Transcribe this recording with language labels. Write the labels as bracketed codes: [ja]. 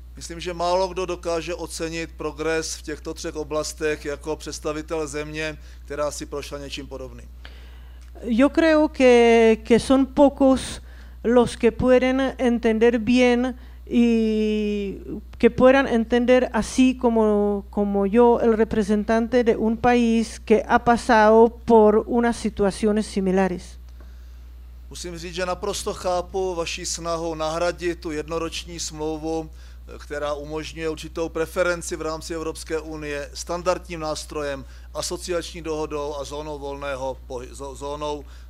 [cs] Myslím, že málo kdo dokáže ocenit progres v těchto třech oblastech jako představitel země, která si prošla něčím podobným. [es] Yo creo que son pocos los que pueden entender bien y que puedan entender así como yo, el representante de un país que ha pasado por unas situaciones similares. [cs] Musím říct, že naprosto chápu vaši snahu nahradit tu jednoroční smlouvu, která umožňuje určitou preferenci v rámci Evropské unie standardním nástrojem, asociační dohodou a zónou volného zónou.